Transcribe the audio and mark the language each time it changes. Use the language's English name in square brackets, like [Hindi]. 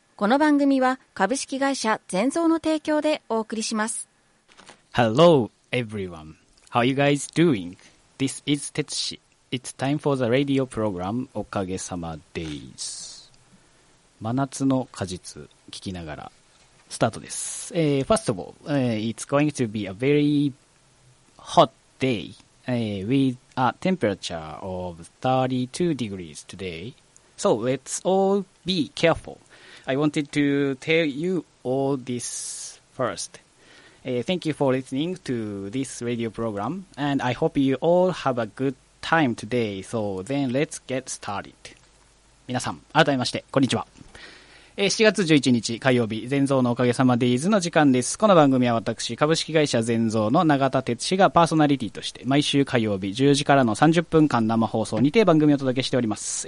[Japanese] この番組は株式会社ゼンゾーの提供でお送りします。 [English] Hello everyone, how are you guys doing? This is Tetsushi. It's time for the radio program おかげさまデイズ。 [Japanese] 真夏の果実聞きながらスタートです。 [English] First of all, it's going to be a very hot day、with a temperature of 32 degrees today. So let's all be carefulI wanted to tell you all this first.、thank you for listening to this radio program, and I hope you all have a good time today. So then let's get started. [Japanese] 皆さん、改めまして、こんにちは。7月11日火曜日、ゼンゾーのおかげさまデイズの時間です。この番組は私、株式会社ゼンゾーの永田哲司がパーソナリティとして、毎週火曜日10時からの30分間生放送にて番組をお届けしております。